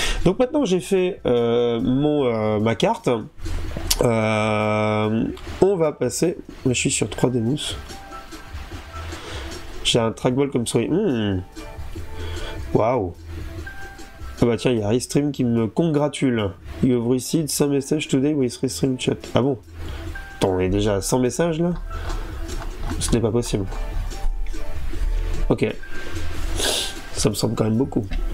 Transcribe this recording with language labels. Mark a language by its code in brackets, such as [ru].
[fr] Donc maintenant j'ai fait ma carte, on va passer, je suis sur 3D mousse, j'ai un trackball comme souris, Waouh! Ah bah tiens, il y a Restream qui me congratule. [en] You've received 100 messages today with Restream chat. [fr] Ah bon? Attends, on est déjà à 100 messages là? Ce n'est pas possible. Ok. Ça me semble quand même beaucoup.